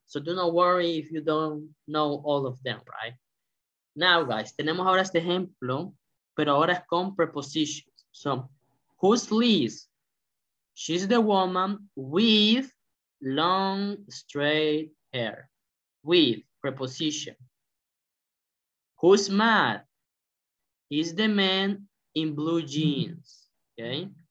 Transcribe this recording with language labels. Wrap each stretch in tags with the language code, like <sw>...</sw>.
<en>So do not worry if you don't know all of them, right? Now, guys,</en> <es>tenemos ahora este ejemplo, pero ahora es con prepositions.</es> <en>So, who's Liz? She's the woman with long straight hair, with preposition. Who's Matt? He's the man in blue jeans, okay?</en>